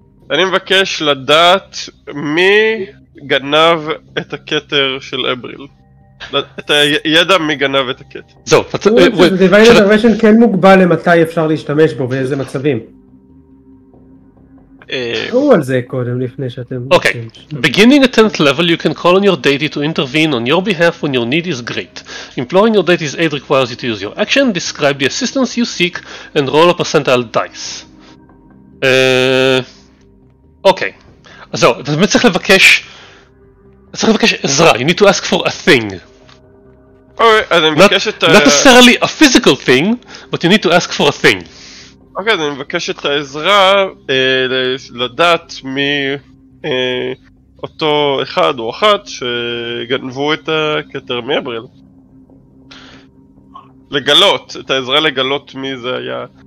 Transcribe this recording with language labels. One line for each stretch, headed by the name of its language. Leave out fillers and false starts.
Hebrew: אני מבקש לדעת מי גנב את הכתר של אבריל. את הידע מי גנב את הכתר. זהו, דיוויין אינטרוונשן כן מוגבל למתי אפשר להשתמש בו ואיזה מצבים. תראו על זה קודם לפני שאתם... אוקיי.
English: Beginning at 10th level you can call on your deity to intervene on your behalf when your need is great. Imploring your deity's aid requires you to use your action, describe the assistance you seek and roll a percentile dice.
Hebrew: אוקיי, אז זהו, אתה באמת צריך לבקש, עזרה,
English: you need to ask for a thing.
Hebrew: אוקיי, אז אני מבקש את
English: ה... Not necessarily a physical thing, but you need to ask for a thing.
Hebrew: אוקיי, אני מבקש את העזרה לדעת מי אותו אחד או אחת שגנבו את הכתר מאבריל. לגלות, את העזרה לגלות מי זה היה.